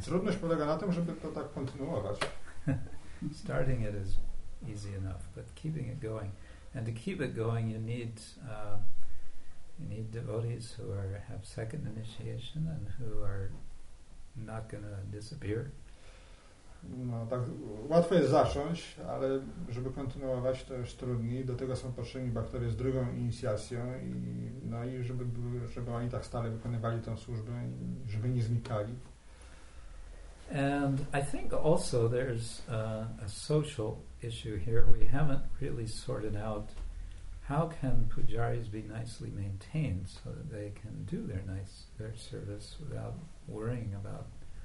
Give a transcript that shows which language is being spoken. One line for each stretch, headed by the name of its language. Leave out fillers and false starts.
Polish: Trudność polega na tym, żeby to tak kontynuować.
English: Starting it is easy enough, but keeping it going, and to keep it going, you need devotees who are have second initiation and who are not going to disappear.
Polish: No, tak łatwo jest zacząć, ale żeby kontynuować, to już trudniej. Do tego są potrzebni bakterie z drugą inicjacją i no i żeby oni tak stale wykonywali tę służbę, żeby nie znikali.
English: And I think also there's a social issue here. We haven't really sorted out how can pujaris be nicely maintained so that they can do their service without worrying about.